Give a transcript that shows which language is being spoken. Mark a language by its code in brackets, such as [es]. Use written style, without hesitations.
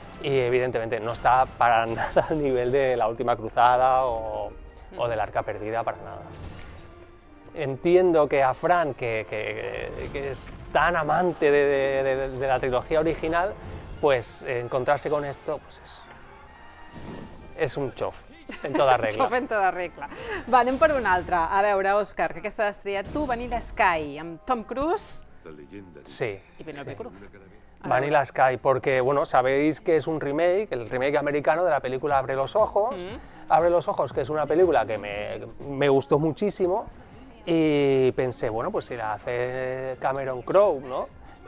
[es] Y evidentemente no está para nada al nivel de La Última Cruzada o del Arca Perdida, para nada. Entiendo que a Fran, que es tan amante de la trilogía original, pues encontrarse con esto pues es un chof en toda regla. Chof en toda regla. [ca] Va, anem per una altra. A veure, Òscar, que aquesta estrella, tu, Vanilla Sky, amb Tom Cruise... Sí. [es] Y Penélope Cruz. Vanilla Sky, porque bueno, sabéis que es un remake, el remake americano de la película Abre los ojos. Mm-hmm. Abre los ojos, que es una película que me gustó muchísimo y pensé, bueno, pues si la hace Cameron Crowe, ¿no?